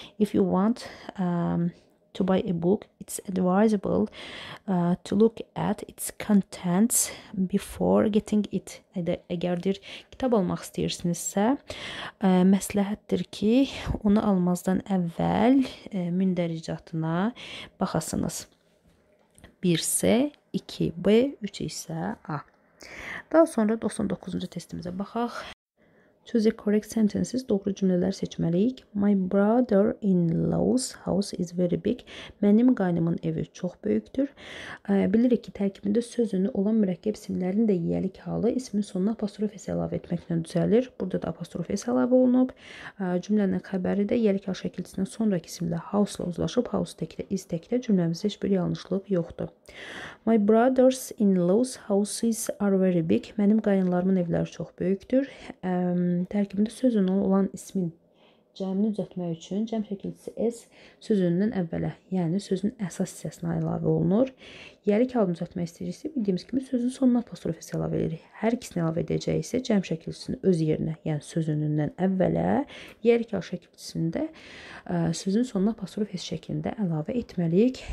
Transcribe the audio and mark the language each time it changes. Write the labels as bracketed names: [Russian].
[English] If you want to buy a book, it's advisable to look at its contents before getting it. [Azerbaijani] Əgərdir kitab almaq istəyirsinizsə, məsləhətdir ki, onu almazdan əvvəl mündəricatına baxasınız. 1-sə, 2-b, 3-sə, a. Daha sonra 99-cu testimizə baxaq. [English] Choose the correct sentences. [Azerbaijani] Doğru cümlələr seçməliyik. [English] My brother-in-law's house is very big. [Azerbaijani] Mənim qaynımın evi çox böyükdür. Bilirik ki, tərkibində sözünü olan mürəkkəb isimlərin də yiyəlik halı ismin sonuna apostrof s əlavə etməklə düzəlir. Burada da apostrof s əlavə olunub. Cümlənin xəbəri də yiyəlik hal şəkildəsindən sonrakı isimlə house-la uzlaşıb, house təkdə, is təkdə cümləmizdə heç bir yanlışlıq yoxdur. [English] My brother-in-law's houses are very big. [Azerbaijani] Mənim qaynılarımın evləri çox böyükdür. Tərkibində sözün olan ismin cəmini düzəltmək üçün cəm şəkildəsi s sözündən əvvələ, yəni sözün əsas hissəsinə əlavə olunur. Yəni ki, halını düzəltmək istəyirsə, bildiyimiz kimi sözün sonuna apostrof s əlavə edirik. Hər ikisini əlavə edəcək isə cəm şəkildəsini öz yerinə, yəni sözündən əvvələ, yəni ki, hal şəkildəsində sözün sonuna apostrof s şəklində əlavə etməliyik.